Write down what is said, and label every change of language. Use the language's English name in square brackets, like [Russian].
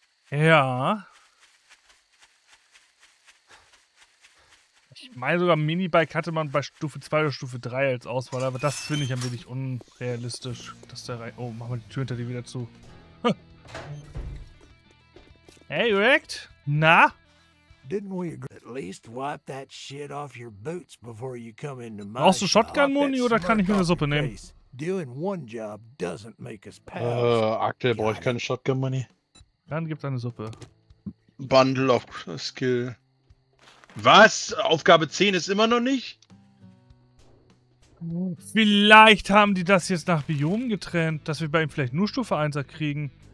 [German] Ja. Ich meine sogar, Minibike hatte man bei Stufe 2 oder Stufe 3 als Auswahl, aber das finde ich ein wenig unrealistisch. Dass der rein. Oh, mach mal die Tür hinter dir wieder zu. Hey, Rekt? Na? [English] Didn't we at least wipe that shit off your boots before you come into my... [German] Brauchst du Shotgun-Muni oder kann ich mir eine Suppe nehmen? [English] Doing one job doesn't make us pals. [German] Aktuell brauche ich keine Shotgun-Muni. Dann gibt's eine Suppe. Bundle of Skill. Was? Aufgabe 10 ist immer noch nicht? Vielleicht haben die das jetzt nach Biomen getrennt, dass wir bei ihm vielleicht nur Stufe 1er kriegen.